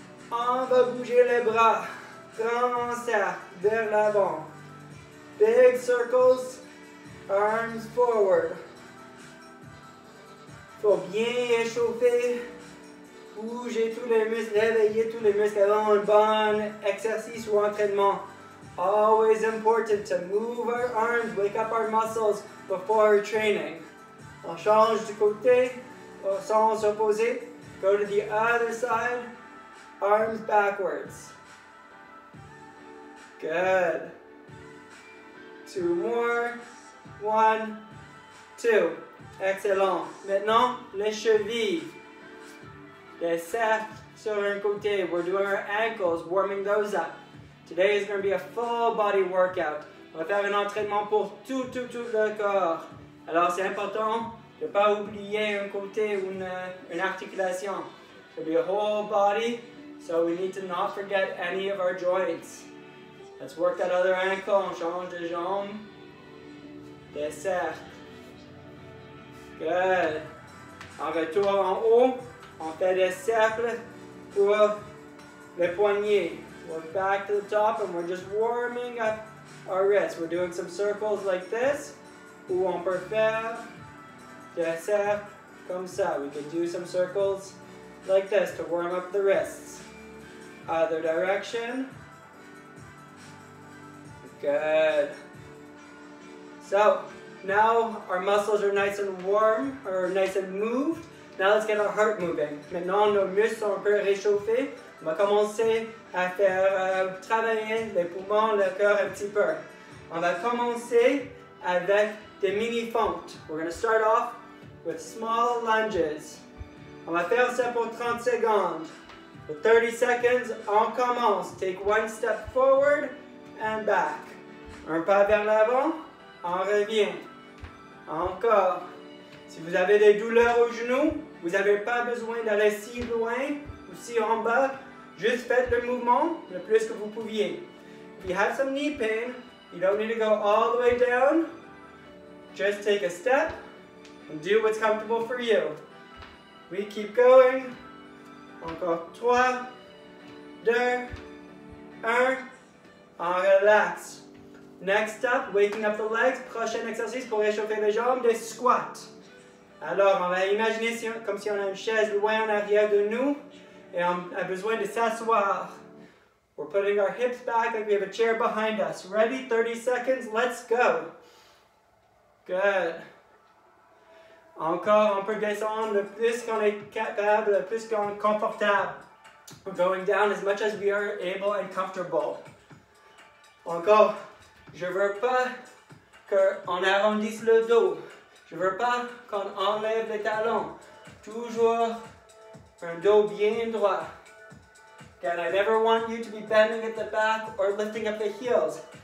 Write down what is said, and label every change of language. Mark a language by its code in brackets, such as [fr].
[fr] On va bouger les bras, grand cercle vers l'avant. [en] Big circles, arms forward. [fr] Faut bien échauffer, bouger tous les muscles, réveiller tous les muscles avant un bon exercice ou entraînement. [en] Always important to move our arms, wake up our muscles before our training. [fr] On change de côté, au sens opposé. [en] Go to the other side, arms backwards. Good. Two more. [fr] 1, 2. Excellent. Maintenant, les chevilles. Les cercles sur un côté. [en] We're doing our ankles, warming those up. Today is going to be a full body workout. [fr] On va faire un entraînement pour tout le corps. Alors c'est important de ne pas oublier un côté ou une articulation. [en] It's going to be a whole body, so we need to not forget any of our joints. Let's work that other ankle. [fr] On change de jambe. Des cercles. [en] Good. [fr] En retour en haut, on fait des cercles pour le poignet. [en] We're back to the top and we're just warming up our wrists. We're doing some circles like this. [fr] Ou on peut faire des cercles comme ça. [en] We can do some circles like this to warm up the wrists. Other direction. Good. So, now our muscles are nice and warm, or nice and moved. Now let's get our heart moving. [fr] Maintenant nos muscles sont un peu réchauffés. On va commencer à faire travailler les poumons, le cœur un petit peu. On va commencer avec des mini-fentes. [en] We're going to start off with small lunges. [fr] On va faire ça pour 30 secondes. [en] For 30 seconds, [fr] on commence. [en] Take one step forward and back. [fr] Un pas vers l'avant, en revient. Encore. Si vous avez des douleurs aux genoux, vous n'avez pas besoin d'aller si loin ou si en bas. Juste faites le mouvement le plus que vous pouviez. [en] If you have some knee pain, you don't need to go all the way down. Just take a step and do what's comfortable for you. We keep going. [fr] Encore 3, 2, 1. En relax. [en] Next up, waking up the legs. [fr] Prochain exercice pour réchauffer les jambes, des squats. Alors, on va imaginer si, comme si on a une chaise loin en arrière de nous et on a besoin de s'asseoir. [en] We're putting our hips back like we have a chair behind us. Ready? 30 seconds. Let's go. Good. [fr] Encore, on peut descendre le plus qu'on est capable, le plus qu'on est confortable. [en] We're going down as much as we are able and comfortable. [fr] Encore, je ne veux pas qu'on arrondisse le dos. Je ne veux pas qu'on enlève les talons. Toujours un dos bien droit. [en] Again, I never want you to be bending at the back or lifting up the heels.